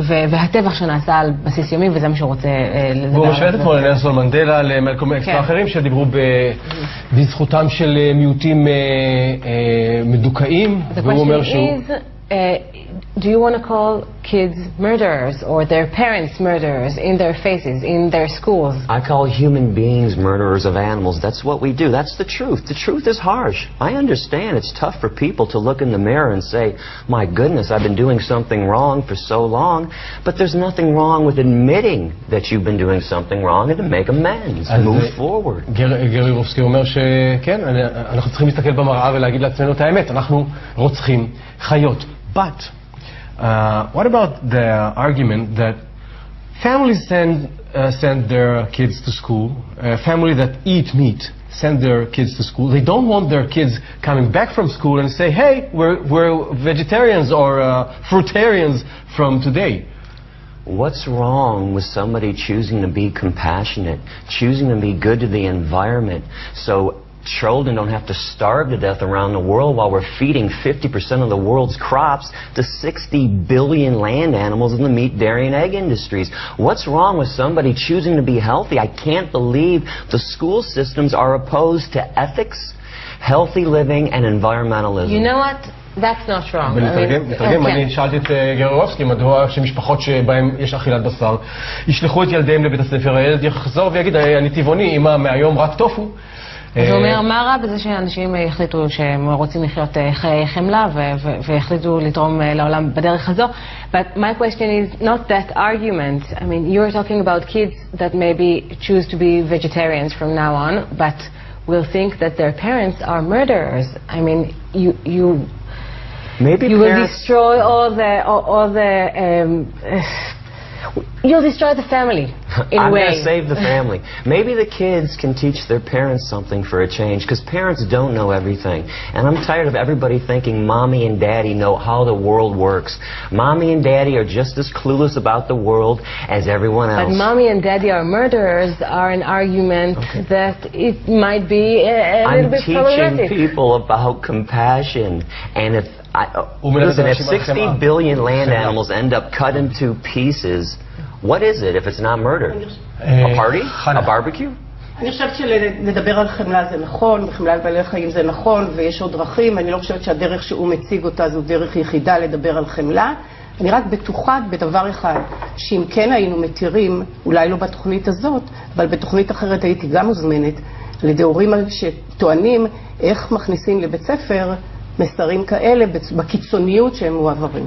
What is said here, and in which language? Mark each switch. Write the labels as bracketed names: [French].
[Hebrew] והטבח שנעשה על בסיס יומי, וזה מה שהוא רוצה לדבר. הוא משווה את אתמול לנלסון מנדלה, למלקום אקס ואחרים שדיברו בזכותם של מיעוטים מדוכאים, והוא אומר שהוא... [English] Do you want to call kids murderers or their parents murderers in their faces, in their schools? I call human beings murderers of animals. That's what we do. That's the truth. The truth is harsh. I understand it's tough for people to look in the mirror and say, my goodness, I've been doing something wrong for so long. But there's nothing wrong with admitting that you've been doing something wrong and to make amends. Move forward. [Hebrew] גרי יורובסקי אומר שכן, אנחנו צריכים להסתכל במראה ולהגיד לעצמנו את האמת. אנחנו רוצחים חיות. [English] But what about the argument that families send their kids to school, family that eat meat send their kids to school, they don't want their kids coming back from school and say, hey, we're vegetarians or fruitarians from today. What's wrong with somebody choosing to be compassionate, choosing to be good to the environment, so children don't have to starve to death around the world while we're feeding 50% of the world's crops to 60 billion land animals in the meat, dairy, and egg industries? What's wrong with somebody choosing to be healthy? I can't believe the school systems are opposed to ethics, healthy living, and environmentalism. You know what? That's not wrong. [Hebrew] ונתרגם, אני שאלתי את גרורובסקי מדוע שמשפחות שבהן יש אכילת בשר ישלחו את ילדיהם לבית הספר, הילד יחזור ויגיד, אני טבעוני, אמא, מהיום רק טופו. אז הוא אומר, מה רע בזה שאנשים החליטו שהם רוצים לחיות חיי חמלה והחליטו לתרום לעולם בדרך הזו? [English] But my question is not that argument. I mean, you're talking about kids that maybe choose to be vegetarians from now on, but will think that their parents are murderers. I mean, you'll destroy the family. I'm going to save the family. Maybe the kids can teach their parents something for a change, because parents don't know everything. And I'm tired of everybody thinking mommy and daddy know how the world works. Mommy and daddy are just as clueless about the world as everyone else. But mommy and daddy are murderers are an argument okay. that it might be a little bit problematic. I'm teaching people about compassion. And if, listen, if 60 billion land animals end up cut into pieces, what is it if it's not murder? A party? A barbecue? [Hebrew] אני חושבת שלדבר על חמלה זה נכון, וחמלה על בעלי חיים זה נכון, ויש עוד דרכים. אני לא חושבת שהדרך שהוא מציג אותה זו דרך יחידה לדבר על חמלה. אני רק בטוחה בדבר אחד, שאם כן היינו מתירים, אולי לא בתוכנית הזאת, אבל בתוכנית אחרת הייתי גם מוזמנת, לדעורים שטוענים איך מכניסים לבית ספר מסרים כאלה בקיצוניות שהם מועברים.